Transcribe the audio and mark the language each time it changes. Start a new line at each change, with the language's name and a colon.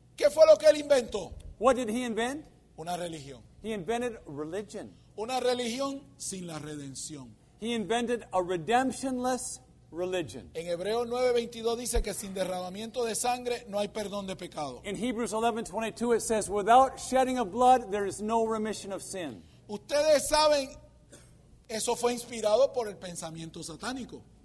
Spanish: ¿qué fue lo que él inventó?
English: What did he invent?
Spanish: Una religión.
English: He invented religion.
Spanish: Una religión sin la redención.
English: He invented a redemptionless religion.
Spanish: En Hebreos 9:22 dice que sin derramamiento de sangre no hay perdón de pecado.
English: In Hebrews 11:22 it says, without shedding of blood there is no remission of sin.
Spanish: Ustedes saben, eso fue inspirado por el pensamiento satánico.